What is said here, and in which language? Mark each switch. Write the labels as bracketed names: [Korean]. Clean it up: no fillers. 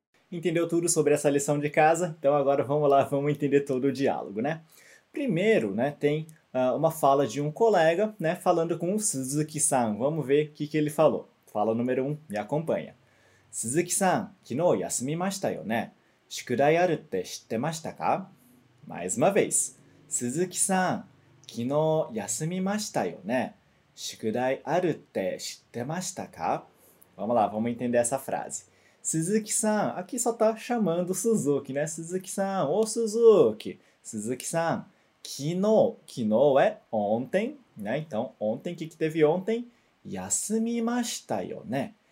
[Portuguese] Entendeu tudo sobre essa lição de casa? Então agora vamos lá, vamos entender todo o diálogo, né? Primeiro, né, tem uma fala de colega, né, falando com o Suzuki-san. Vamos ver o que ele falou. Fala número 1, me acompanha. [Japanese] Suzuki-san, 昨日休みましたよね。宿題あるって知ってましたか？ [Portuguese] Mais uma vez. [Japanese] Suzuki-san, 昨日休みましたよね。宿題あるって知ってましたか? [Portuguese] Vamos lá, vamos entender essa frase. Suzuki-san, aqui só está chamando Suzuki, né? Suzuki-san, ô Suzuki. Suzuki-san, 昨日é ontem, né? Então, ontem, o que, que teve ontem? [Japanese] Yasumi mashita yo ne.